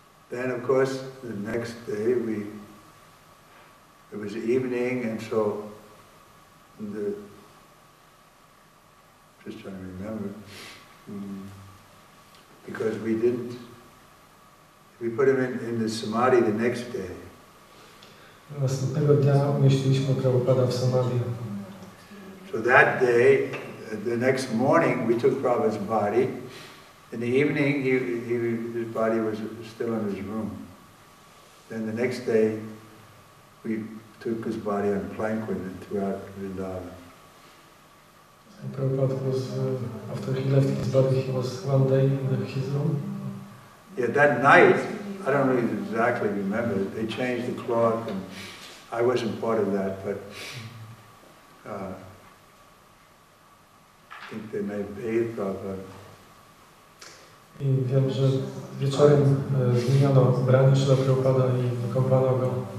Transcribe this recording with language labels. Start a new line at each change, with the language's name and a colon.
English: Then of course the next day it was evening and so the just trying to remember. Because we didn't, we put him in the samadhi the next day.
Polish: Następnego dnia umieściliśmy Prabhupada w samadhi.
English: So that day, the next morning, we took Prabhupada's body. In the evening, his body was still in his room. Then the next day, we took his body on plank with him throughout Vrindavan. Prabhupada was, after he left his body, he was one day in his room. Yeah, that night, I don't really exactly remember, they changed the cloth and I wasn't part of that, but I think they may bathe Prabhupada.
Polish: I wiem, że wieczorem zmieniono ubranie Śrila Prabhupada i wykąpano go.